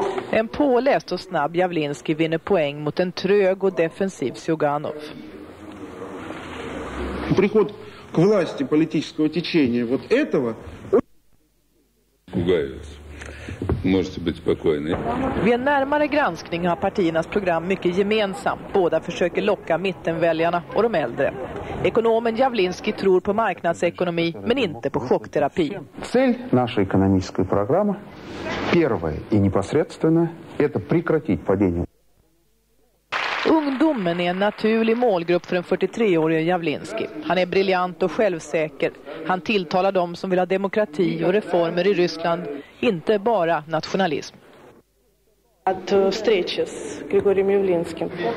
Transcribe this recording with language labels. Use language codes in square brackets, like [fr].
[sv] En påläst och snabb Javlinskij vinner poäng mot en trög och defensiv Zjuganov. [ru] Приход к власти политического течения вот этого пугается. Можете быть спокойны. [sv] Vid en närmare granskning har partiernas program mycket gemensamt. Båda försöker locka mittenväljarna och de äldre. Ekonomen Javlinskij tror på marknadsekonomi men inte på chockterapi. [ru] Цель нашей экономической программы первая и непосредственная это прекратить падение. [sv] Ungdomen är en naturlig målgrupp för en 43-årig Javlinskij. Han är briljant och självsäker. Han tilltalar dem som vill ha demokrati och reformer i Ryssland, inte bara nationalism. Att stretches, Grigorij Javlinskij.